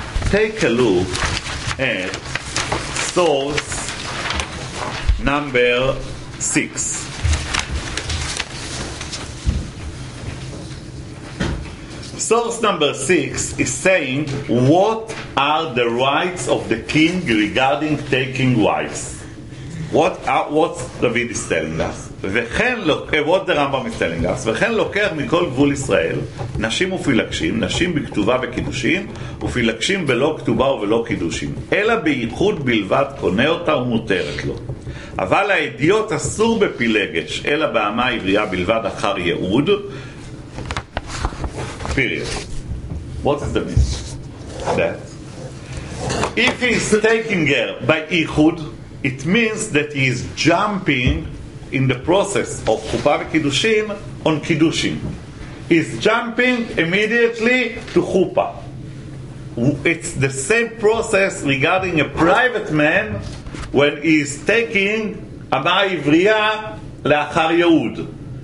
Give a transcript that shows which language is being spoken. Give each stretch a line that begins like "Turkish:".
English: Take a look at source number 6. Source number 6 is saying, what are the rights of the king regarding taking wives? What David is telling us? What the Rambam is telling us.
Hebrew: וכן לוקח מכל גבול ישראל נשים ופילגשים, נשים בכתובה וקידושים, ופילגשים בלא כתובה ובלא קידושים, אלא בייחוד בלבד קונה אותה ומותרת לו. אבל האדיוט אסור בפילגש, אלא באמה העברייה בלבד אחר יעוד.
English: Period. What is the meaning? That if he is taking her by ייחוד, it means that he is jumping in the process of Chupa Kiddushin on Kiddushin. He's jumping immediately to Chupa. It's the same process regarding a private man when he is taking Ama Ivriya Leachar Yehud.